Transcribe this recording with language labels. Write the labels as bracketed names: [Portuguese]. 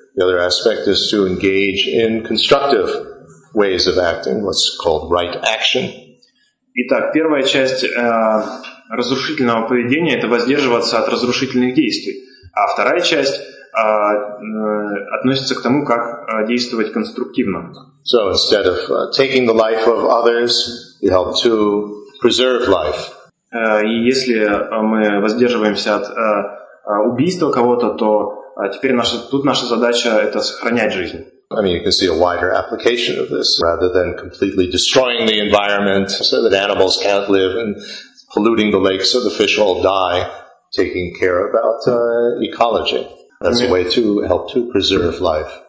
[English] The other aspect is to engage in constructive ways of acting, what's called right action. [Russian] Итак, первая часть разрушительного поведения – это воздерживаться от разрушительных действий. А вторая часть относится к тому, как действовать конструктивно. [English] So instead of taking the life of others, you help to preserve life. [Russian] И если мы воздерживаемся от убийства кого-то, то теперь наша задача – это сохранять жизнь. [English] I mean, you can see a wider application of this rather than completely destroying the environment so that animals can't live and polluting the lakes so the fish all die, taking care about ecology. That's a way to help to preserve life.